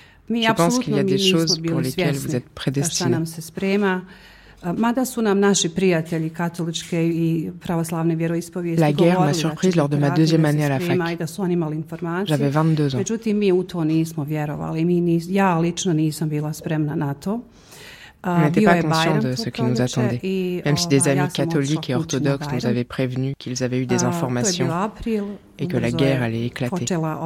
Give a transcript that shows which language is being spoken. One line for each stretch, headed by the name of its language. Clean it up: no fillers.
French: Je pense qu'il y a des choses pour lesquelles vous êtes prédestinés.
Bosnian: Mada su nam naši prijatelji katoličke i pravoslavne vjeroispovijesti.
French: La guerre m'a surprise lors de ma deuxième année à la fac. J'avais 22 ans.
Bosnian: Međutim, mi u to nismo vjerovali. Ja lično nisam bila spremna na to.
French: On n'était pas conscient de ce qui nous attendait, même si des amis catholiques et orthodoxes nous avaient prévenu qu'ils avaient eu des informations et que la guerre allait éclater.